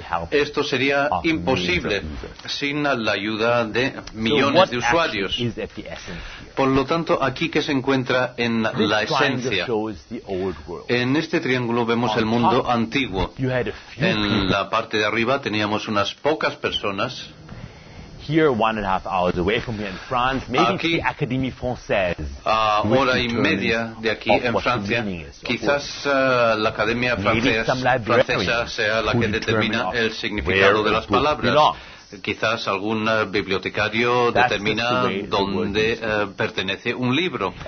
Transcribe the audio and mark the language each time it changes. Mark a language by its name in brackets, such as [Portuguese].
[Spanish] Esto sería imposible sin la ayuda de millones de usuarios. Por lo tanto, aquí que se encuentra en la esencia. En este triángulo vemos el mundo antiguo. En la parte de arriba teníamos unas pocas personas. [English] Here, 1.5 hours away from here in France, maybe [Spanish] aquí, [English] the Académie Française. [Spanish] Hora y media de aquí en Francia. Quizás la Academia Francesa sea la que determina el significado de las palabras. Quizás algún bibliotecario determina dónde pertenece un libro.